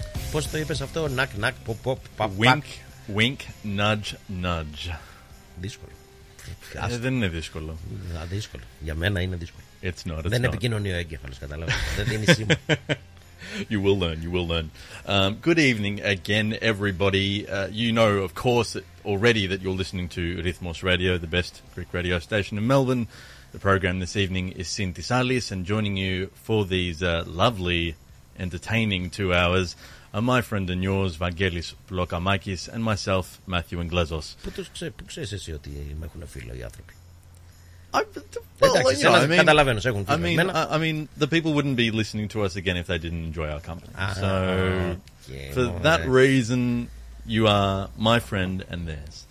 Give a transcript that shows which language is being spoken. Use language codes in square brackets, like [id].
[el] Πώς το είπες αυτό? Νακ, νακ, pop, pop, pop, [en] wink, pack. Wink, nudge, nudge. [el] Δύσκολο. Δεν είναι δύσκολο. Δύσκολο. Για μένα είναι δύσκολο. [en] It's not, it's [el] δεν [en] not. [el] Επικοινωνεί ο εγκέφαλος, καταλαβαίνω. Δεν δίνει σήμα. [en] You will learn. You will learn. Good evening again, everybody. You know, of course, already that you're listening to Rhythmos Radio, the best Greek radio station in Melbourne. The program this evening is Synthisalis, and joining you for these lovely, entertaining 2 hours are my friend and yours, Vangelis Plokamakis, and myself, Matthew Inglesos. [el] Πού ξέρεις εσύ ότι με έχουν φίλο οι άνθρωποι? [en] I mean, the people wouldn't be listening to us again if they didn't enjoy our company. So, for that reason, you are my friend and theirs.